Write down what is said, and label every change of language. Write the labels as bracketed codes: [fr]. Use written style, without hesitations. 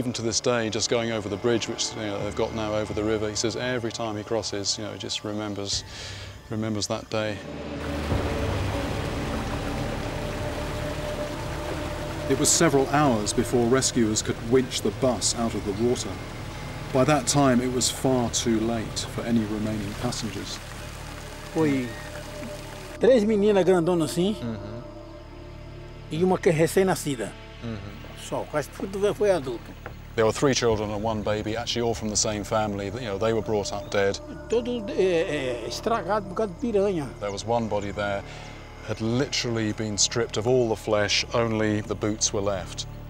[en] even to this day, just going over the bridge, which you know, they've got now over the river, he says every time he crosses, you know, he just remembers that day. It was several hours before rescuers could winch the bus out of the water. By that time, it was far too late for any remaining passengers. [pt] Foi três meninas grandonas assim, e uma que recém-nascida. Só, quase tudo foi adulto. [en] There were three children and one baby, actually all from the same family. You know, they were brought up dead. [pt] Todo estragado por causa de piranha. [en] There was one body there, had literally been stripped of all the flesh, only the boots were left.